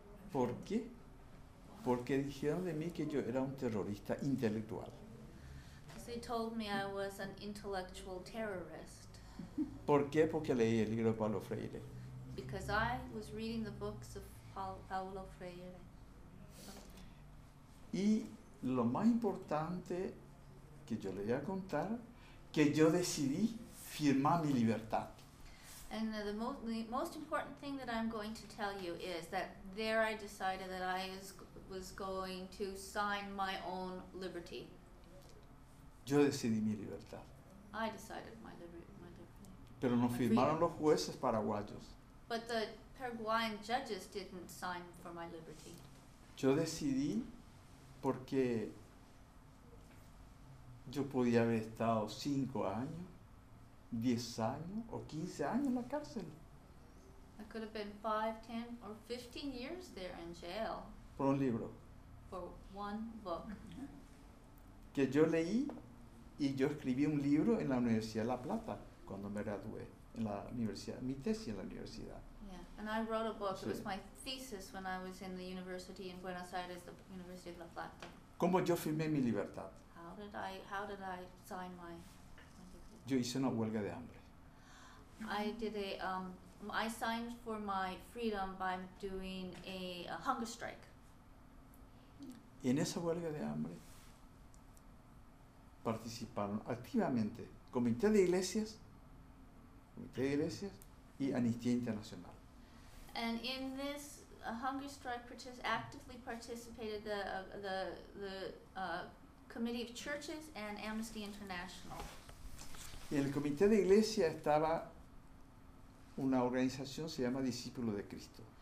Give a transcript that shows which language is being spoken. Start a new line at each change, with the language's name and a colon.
Spanish: ¿Por qué? Porque dijeron de mí que yo era un terrorista intelectual.
English: They told me I was an intellectual terrorist.
Spanish: ¿Por qué? Porque leí el libro de Paulo Freire.
English: Because I was reading the books of Paulo Freire.
Spanish: Y lo más importante que yo le voy a contar, que yo decidí firmar mi libertad.
English: And the most important thing that I'm going to tell you is that there I decided that I was going to sign my own liberty.
Spanish: Yo decidí mi libertad.
English: I decided my liberty.
Spanish: Pero no firmaron los jueces paraguayos.
English: But the Paraguayan judges didn't sign for my liberty.
Spanish: Yo decidí porque yo podía haber estado 5 años. 10 años o 15 años en la cárcel.
English: I could have been 5, 10 or 15 years there in jail.
Spanish: Por un libro.
English: For one book.
Spanish: Que yo leí y yo escribí un libro en la Universidad de La Plata cuando me gradué en la universidad, mi tesis en la universidad.
English: Yeah, and I wrote a book. Sí. It was my thesis when I was in the university in Buenos Aires, the University of La Plata.
Spanish: ¿Cómo yo firmé mi libertad?
English: How did I sign my...
Spanish: Yo hice una huelga de hambre.
English: I signed for my freedom by doing a hunger strike.
Spanish: Y en esa huelga de hambre participaron activamente Comité de Iglesias y Amnistía Internacional.
English: And in this hunger strike actively participated the Committee of Churches and Amnesty International.
Spanish: En el Comité de Iglesia estaba una organización, se llama Discípulos de Cristo.